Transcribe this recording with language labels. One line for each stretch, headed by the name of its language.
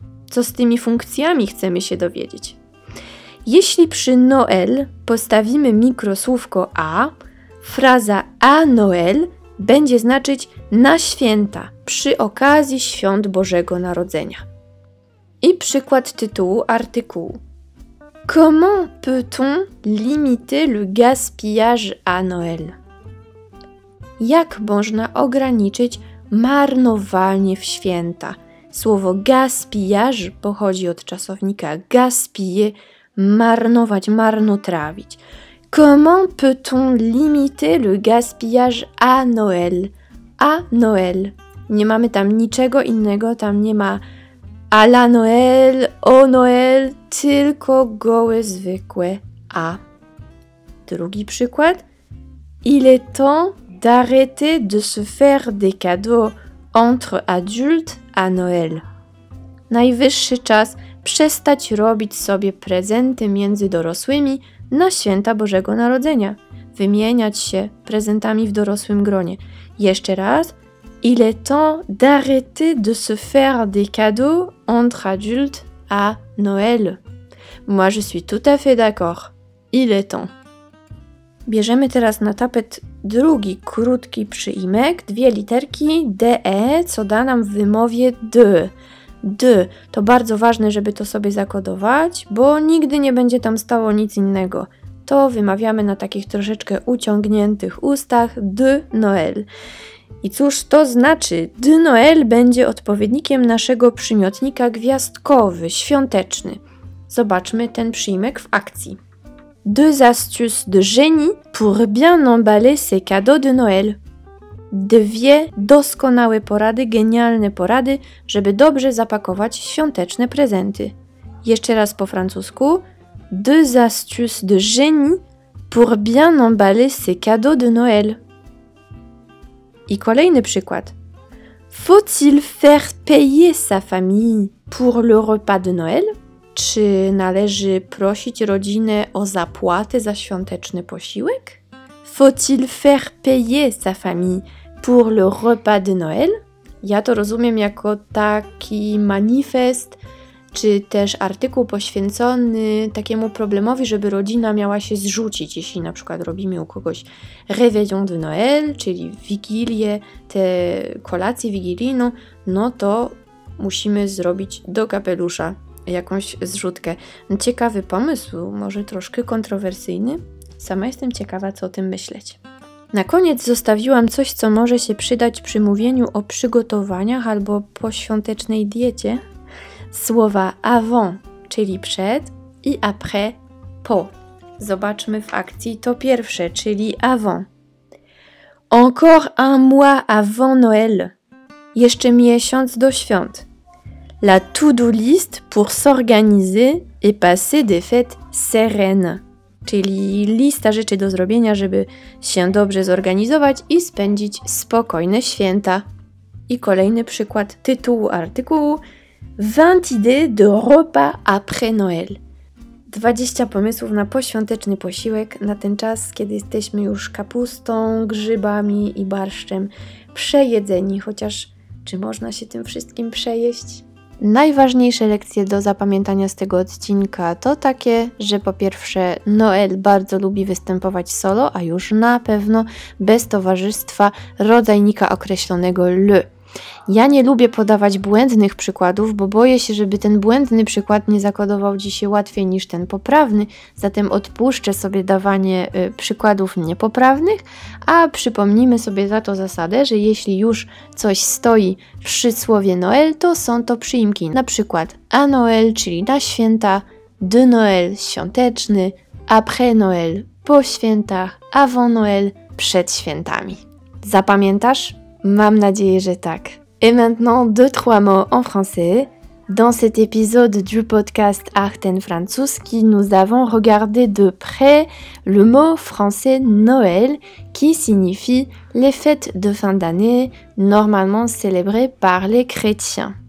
Polish: Co z tymi funkcjami chcemy się dowiedzieć? Jeśli przy Noël postawimy mikrosłówko A, fraza A Noël będzie znaczyć na święta, przy okazji świąt Bożego Narodzenia. I przykład tytułu artykułu.
French: Comment peut-on limiter le gaspillage à Noël?
Polish: Jak można ograniczyć marnowanie w święta? Słowo gaspillage pochodzi od czasownika gaspiller, marnować, marnotrawić.
French: Comment peut-on limiter le gaspillage à Noël? À Noël.
Polish: Nie mamy tam niczego innego, tam nie ma
French: à la Noël, au Noël.
Polish: Tylko gołe, zwykłe A. Drugi przykład.
French: Il est temps d'arrêter de se faire des cadeaux entre adultes à Noël.
Polish: Najwyższy czas przestać robić sobie prezenty między dorosłymi na święta Bożego Narodzenia. Wymieniać się prezentami w dorosłym gronie. Jeszcze raz.
French: Il est temps d'arrêter de se faire des cadeaux entre adultes à Noël. Moi, je suis tout à fait d'accord. Il est temps.
Polish: Bierzemy teraz na tapet drugi krótki przyimek, dwie literki DE, co da nam w wymowie D. D. To bardzo ważne, żeby to sobie zakodować, bo nigdy nie będzie tam stało nic innego. To wymawiamy na takich troszeczkę uciągniętych ustach de Noël. I cóż to znaczy? De Noël będzie odpowiednikiem naszego przymiotnika gwiazdkowy, świąteczny. Zobaczmy ten przyimek w akcji.
French: Deux astuces de génie pour bien emballer ses cadeaux de Noël.
Polish: Dwie doskonałe porady, genialne porady, żeby dobrze zapakować świąteczne prezenty. Jeszcze raz po francusku.
French: Deux astuces de génie pour bien emballer ses cadeaux de Noël.
Polish: I kolejny przykład.
French: Faut-il faire payer sa famille pour le repas de Noël?
Polish: Czy należy prosić rodzinę o zapłatę za świąteczny posiłek?
French: Faut-il faire payer sa famille pour le repas de Noël?
Polish: Ja to rozumiem jako taki manifest czy też artykuł poświęcony takiemu problemowi, żeby rodzina miała się zrzucić, jeśli na przykład robimy u kogoś Réveillon de Noël, czyli wigilię, te kolacje wigilijną, no to musimy zrobić do kapelusza jakąś zrzutkę. Ciekawy pomysł, może troszkę kontrowersyjny. Sama jestem ciekawa, co o tym myśleć. Na koniec zostawiłam coś, co może się przydać przy mówieniu o przygotowaniach albo po świątecznej diecie. Słowa avant, czyli przed, i après, po. Zobaczmy w akcji to pierwsze, czyli avant.
French: Encore un mois avant Noël.
Polish: Jeszcze miesiąc do świąt.
French: La to-do list pour s'organiser et passer des fêtes sereines.
Polish: Czyli lista rzeczy do zrobienia, żeby się dobrze zorganizować i spędzić spokojne święta. I kolejny przykład tytułu artykułu.
French: 20 idées de repas après Noël.
Polish: 20 pomysłów na poświąteczny posiłek na ten czas, kiedy jesteśmy już kapustą, grzybami i barszczem przejedzeni, chociaż czy można się tym wszystkim przejeść? Najważniejsze lekcje do zapamiętania z tego odcinka to takie, że po pierwsze Noël bardzo lubi występować solo, a już na pewno bez towarzystwa rodzajnika określonego le. Ja nie lubię podawać błędnych przykładów, bo boję się, żeby ten błędny przykład nie zakodował dzisiaj łatwiej niż ten poprawny, zatem odpuszczę sobie dawanie przykładów niepoprawnych, a przypomnijmy sobie za to zasadę, że jeśli już coś stoi przy słowie Noël, to są to przyimki, na przykład à Noël, czyli na święta, de Noël, świąteczny, après Noël, po świętach, avant Noël, przed świętami. Zapamiętasz? Mam nadzieję, że tak.
French: Et maintenant, 2-3 mots en français. Dans cet épisode du podcast Art en Francuski, nous avons regardé de près le mot français Noël, qui signifie les fêtes de fin d'année, normalement célébrées par les chrétiens.